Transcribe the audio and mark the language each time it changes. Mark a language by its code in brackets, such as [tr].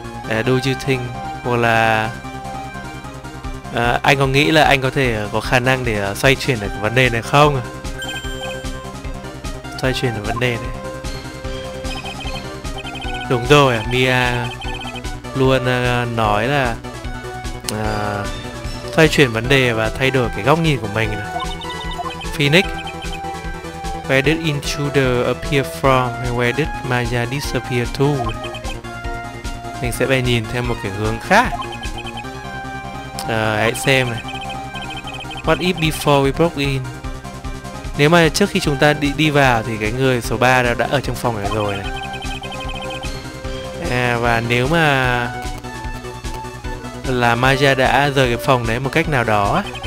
[vi] Do you think? Hoặc là anh có nghĩ là anh có thể có khả năng để xoay chuyển được vấn đề này không? Xoay chuyển được vấn đề này. Đúng rồi, Mia luôn nói là xoay chuyển vấn đề và thay đổi cái góc nhìn của mình này. [en] Phoenix, where did intruder appear from and where did Maya disappear to? [vi] Mình sẽ phải nhìn theo một cái hướng khác. Hãy xem này. What if before we broke in? Nếu mà trước khi chúng ta đi vào thì cái người số 3 đã ở trong phòng này rồi này. Và nếu mà là Maya đã rời cái phòng đấy một cách nào đó